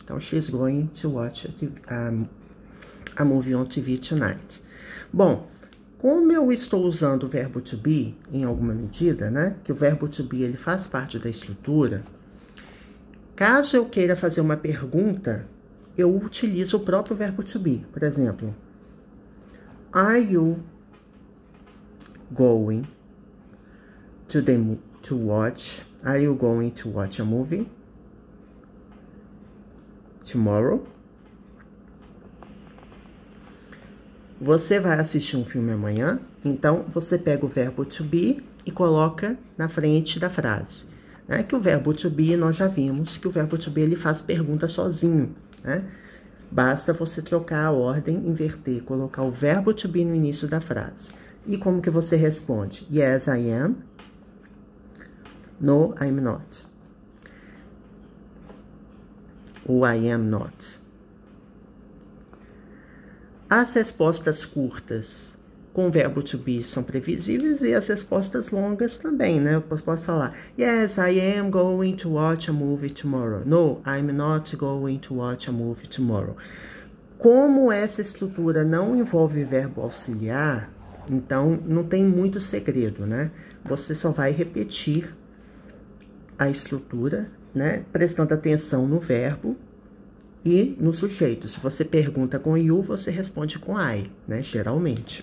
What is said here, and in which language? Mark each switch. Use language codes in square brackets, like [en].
[en] Então, she's going to watch a movie on TV tonight. Bom. [pt] Como eu estou usando o verbo to be em alguma medida, né? Que o verbo to be ele faz parte da estrutura. Caso eu queira fazer uma pergunta, eu utilizo o próprio verbo to be. Por exemplo, [en] Are you going to Are you going to watch a movie tomorrow? [pt] Você vai assistir um filme amanhã, então você pega o verbo to be e coloca na frente da frase. É que o verbo to be, nós já vimos que o verbo to be ele faz pergunta sozinho, né? Basta você trocar a ordem, inverter, colocar o verbo to be no início da frase. E como que você responde? [en] Yes, I am. No, I'm not. Ou I am not. [pt] As respostas curtas com o verbo to be são previsíveis e as respostas longas também, né? Eu posso falar: [en] Yes, I am going to watch a movie tomorrow. No, I'm not going to watch a movie tomorrow. [pt] Como essa estrutura não envolve verbo auxiliar, então não tem muito segredo, né? Você só vai repetir a estrutura, né? Prestando atenção no verbo e no sujeito. Se você pergunta com you, você responde com I, né? Geralmente.